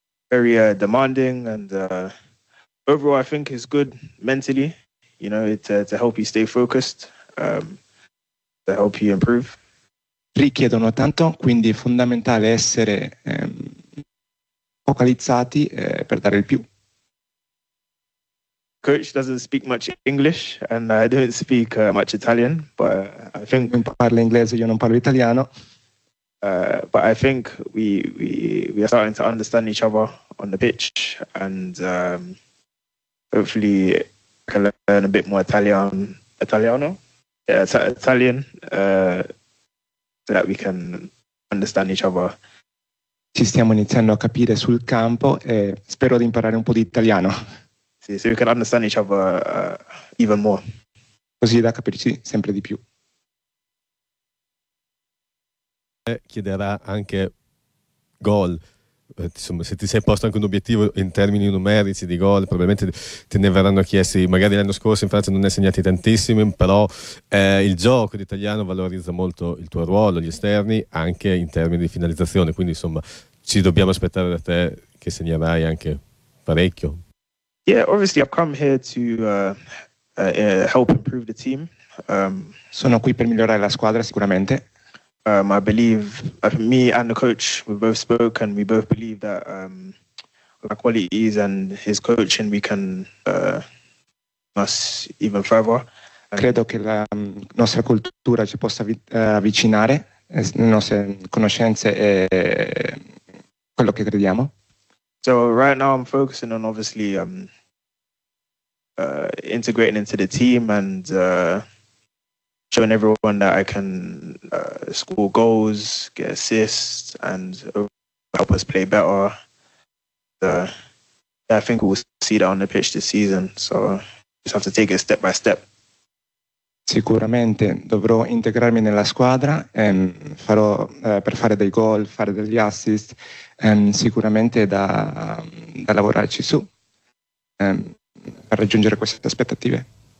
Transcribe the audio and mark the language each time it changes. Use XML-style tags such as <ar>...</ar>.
<en>Very demanding, and overall, I think it's good mentally. You know, to help you stay focused, to help you improve.</en> <it>Richiedono tanto, quindi è fondamentale essere focalizzati per dare il più.</it> <en>Coach doesn't speak much English, and I don't speak much Italian. But I think</en> <it>non parlo inglese, io non parlo italiano.</it> <en>But I think we are starting to understand each other on the pitch, and hopefully I can learn a bit more Italian, so that we can understand each other.</en> <it>Ci stiamo iniziando a capire sul campo e spero di imparare un po' di italiano.</it> <en>Sì, so we can understand each other even more.</en> <it>Così da capirci sempre di più. Chiederà anche gol, insomma, se ti sei posto anche un obiettivo in termini numerici di gol, probabilmente te ne verranno chiesti, magari l'anno scorso in Francia non ne hai segnati tantissimi, però il gioco d'italiano valorizza molto il tuo ruolo, gli esterni, anche in termini di finalizzazione, quindi insomma ci dobbiamo aspettare da te che segnerai anche parecchio.</it> <en>Yeah, obviously I've come here to help improve the team.</en> <it>Sono qui per migliorare la squadra sicuramente.</it> <en>I believe me and the coach, we both spoke and we both believe that with our qualities and his coaching, we can us even further.</en> <it>Credo che la nostra cultura ci possa avvicinare, le nostre conoscenze e quello che crediamo.</it> <en>So right now I'm focusing on obviously integrating into the team and showing everyone that I can score goals, get assists, and help us play better. I think we'll see that on the pitch this season. So just have to take it step by step.</en> <it>Sicuramente dovrò integrarmi nella squadra e farò per fare dei gol, fare degli assist. Sicuramente da lavorarci su per raggiungere queste aspettative.</it>